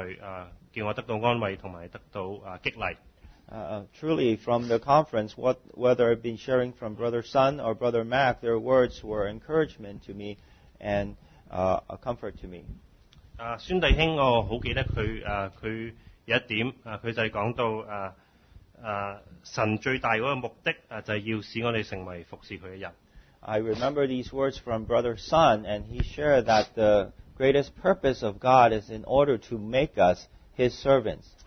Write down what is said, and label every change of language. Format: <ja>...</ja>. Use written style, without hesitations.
<zh>所以今年去特會的時候,孫弟兄和Mac弟兄所說的都是實在叫我得到安慰和得到激勵。</zh> <en>Truly, from the conference, whether I've been sharing from Brother Sun or Brother Mac, their words were encouragement to me and a comfort to me.</en> <zh>孫弟兄,我很記得他有一點,他就是講到神最大的目的就是要使我們成為服侍他的人。</zh> <en>I remember these words from Brother Sun, and he shared that the greatest purpose of God is in order to make us his servants.</en>